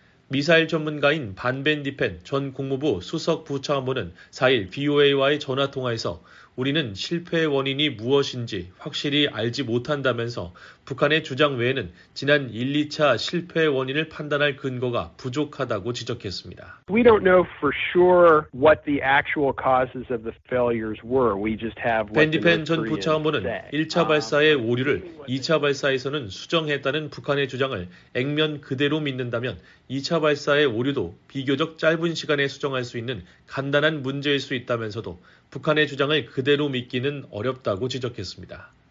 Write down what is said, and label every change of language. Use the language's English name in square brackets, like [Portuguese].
[Korean] 미사일 전문가인 반벤디펜 전 국무부 수석 부차관보는 4일 VOA와의 전화통화에서 우리는 실패의 원인이 무엇인지 확실히 알지 못한다면서 북한의 주장 외에는 지난 1, 2차 실패의 원인을 판단할 근거가 부족하다고 지적했습니다. [English] We don't know for sure what the actual causes of the failures were. We just have what the Korean said. [Korean] 벤디펜 전 부차관은 1차 발사의 오류를 2차 발사에서는 수정했다는 북한의 주장을 액면 그대로 믿는다면 2차 발사의 오류도 비교적 짧은 시간에 수정할 수 있는 간단한 문제일 수 있다면서도 북한의 주장을 그대로 믿기는 어렵다고 지적했습니다.